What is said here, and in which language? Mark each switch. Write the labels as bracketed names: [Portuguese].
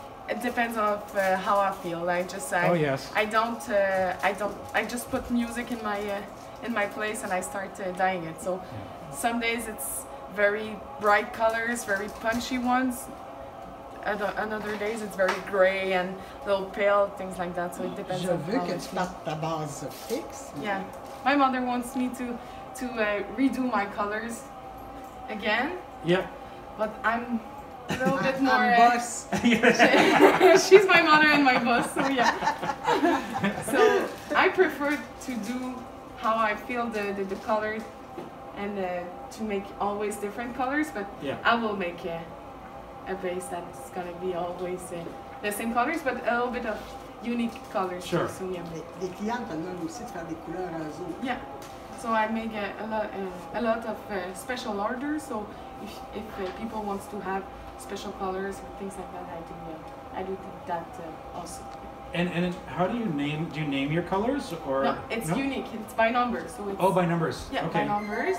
[English] It depends on how I feel. I just put music in my place and I start dyeing it. So some days it's very bright colors, very punchy ones. other days it's very gray and a little pale, things like that. So it depends. [French] Je veux que tu partes ta base fixe. [English] Yeah, my mother wants me to redo my colors again. Yeah, but I'm a little bit more. I'm boss. She's my mother and my boss. So yeah. So I prefer to do how I feel the colors. And to make always different colors, but yeah. I will make a base that's gonna be always the same colors, but a little bit of unique colors. Sure. So, yeah. [French] Les clientes demandent aussi de faire des couleurs à zone. [English] Yeah. So I make a lot of special orders. So if people wants to have special colors or things like that, I do that also. And how do you name your colors or no? It's no? Unique. It's by numbers. So it's, oh, by numbers. Yeah, okay. By numbers.